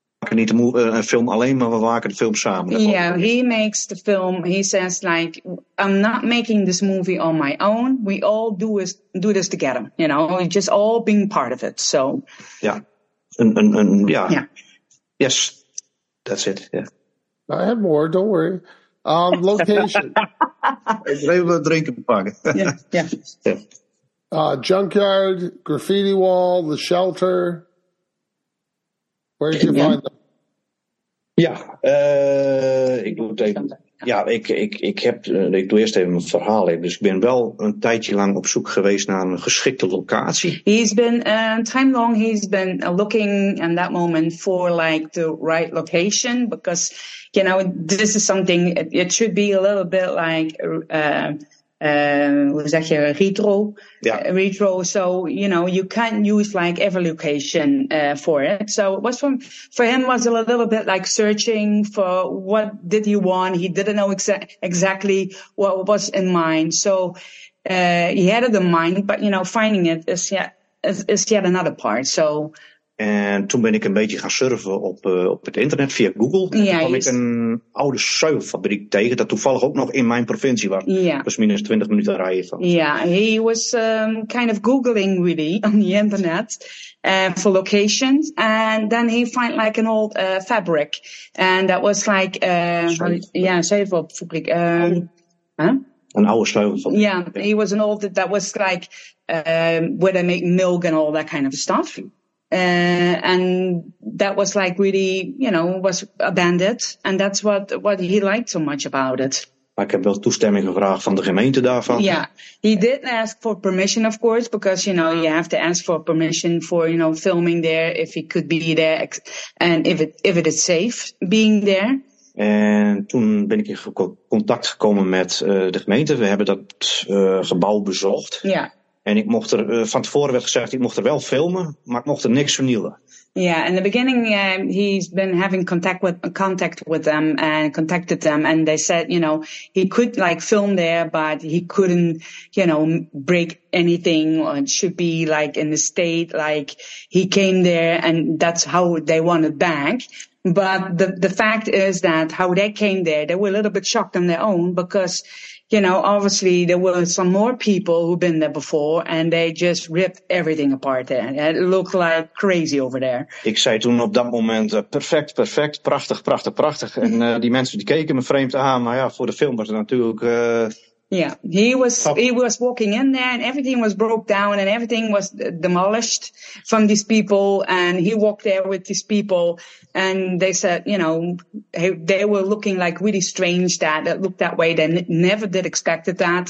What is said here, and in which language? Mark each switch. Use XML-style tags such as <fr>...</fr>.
<nl>Niet een film alleen, maar we maken de film samen.</nl> <en>He makes the film. He says like, I'm not making this movie on my own. We all do this together. You know, we just all being part of it. So. Yes, that's it. Yeah. I have more. Don't worry. Location.</en> <nl>Even wat drinken pakken.</nl> <en>Yeah. Junkyard, graffiti wall, the shelter. Where did you find them?</en> <nl>Ik doe eerst even mijn verhaal. Dus ik ben wel een tijdje lang op zoek geweest naar een geschikte locatie.</nl> <en>He's been time long. He's been looking at that moment for like the right location, because you know this is something. It should be a little bit like</en> <nl>hoe zeg je,</nl> <en>retro? Yeah. Retro. So you know you can't use like every location for it. So it was for him was a little bit like searching for what did he want. He didn't know exactly what was in mind. So he had it in mind, but you know finding it is yet another part. So.</en> <nl>En toen ben ik een beetje gaan surfen op het internet via Google. En toen kwam ik een oude zuivelfabriek tegen, dat toevallig ook nog in mijn provincie was. Dus minstens 20 minuten rijden van.</nl> <en>He was kind of googling really on the internet for locations. And then he found like an old fabric. And that was like zuivelfabriek.</en> <nl>Een oude zuivelfabriek.</nl> <en>He was an old that was like where they make milk and all that kind of stuff. And that was like really, you know, was abandoned. And that's what he liked so much about it.</en> <nl>Maar ik heb wel toestemming gevraagd van de gemeente daarvan.</nl> <en>He did ask for permission, of course, because, you know, you have to ask for permission for, you know, filming there, if he could be there, and if it is safe being there.</en> <nl>En toen ben ik in contact gekomen met de gemeente. We hebben dat gebouw bezocht. En ik mocht er, van tevoren werd gezegd, ik mocht er wel filmen, maar ik mocht er niks vernielen.</nl> <en>In the beginning, he's been having contact with them and contacted them. And they said, you know, he could like film there, but he couldn't, you know, break anything. Or it should be like in the state, like he came there and that's how they want it back. But the fact is that how they came there, they were a little bit shocked on their own, because, you know, obviously there were some more people who've been there before, and they just ripped everything apart there. It looked like crazy over there.</en> <nl>Ik zei toen op dat moment, perfect, perfect, prachtig, prachtig, prachtig. En die mensen die keken me vreemd aan, maar ja, voor de film was het natuurlijk</nl> <en>Yeah, he was walking in there, and everything was broke down, and everything was demolished from these people. And he walked there with these people, and they said, you know, they were looking like really strange that it looked that way. They never did expect that.</en>